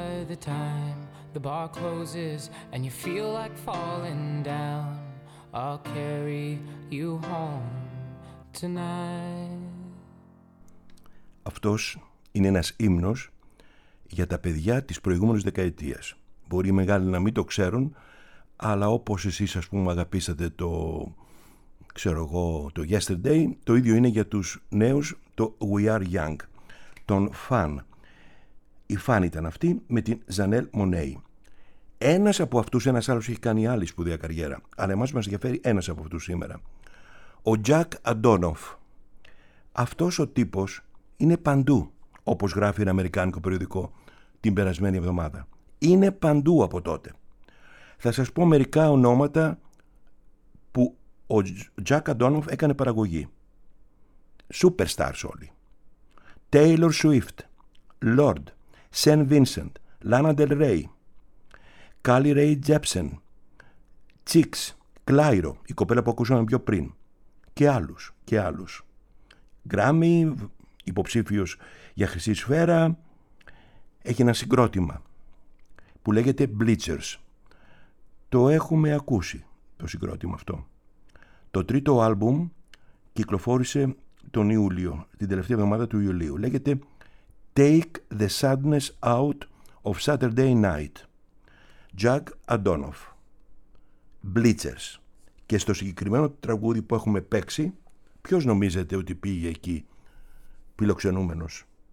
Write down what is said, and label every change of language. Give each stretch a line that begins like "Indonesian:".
English: the time the bar closes and you feel like falling down, I'll carry you home tonight.
Greek: Αυτός είναι ένας ύμνος για τα παιδιά της προηγούμενης δεκαετίας. Μπορεί οι μεγάλοι να μην το ξέρουν, αλλά όπως εσείς, ας πούμε, αγαπήσατε το, ξέρω εγώ, το Yesterday, το ίδιο είναι για τους νέους το We Are Young, τον Φαν. Η Φαν ήταν αυτή με την Ζανέλ Μονέι. Ένας από αυτούς, ένας άλλος, έχει κάνει άλλη σπουδαία καριέρα, αλλά εμάς μας ενδιαφέρει ένας από αυτούς σήμερα. Ο Τζακ Αντόνοφ. Αυτός ο τύπος είναι παντού, όπως γράφει ένα αμερικάνικο περιοδικό την περασμένη εβδομάδα. Είναι παντού από τότε. Θα σας πω μερικά ονόματα που ο Τζακ Αντόνοφ έκανε παραγωγή. Superstars όλοι. Taylor Swift, Lord, Saint Vincent, Lana Del Rey, Carly Rae Jepsen, Chicks, Clyro, η κοπέλα που ακούσαμε πιο πριν, και άλλους, και άλλους. Grammy, υποψήφιος για Χρυσή Σφαίρα, έχει ένα συγκρότημα που λέγεται Bleachers. Το έχουμε ακούσει, το συγκρότημα αυτό. Το τρίτο άλμπουμ κυκλοφόρησε τον Ιούλιο, την τελευταία εβδομάδα του Ιουλίου. Λέγεται Take the Sadness Out of Saturday Night. Jack Antonoff. Bleachers. Και στο συγκεκριμένο τραγούδι που έχουμε παίξει, ποιος νομίζετε ότι πήγε εκεί φιλοξενούμενος?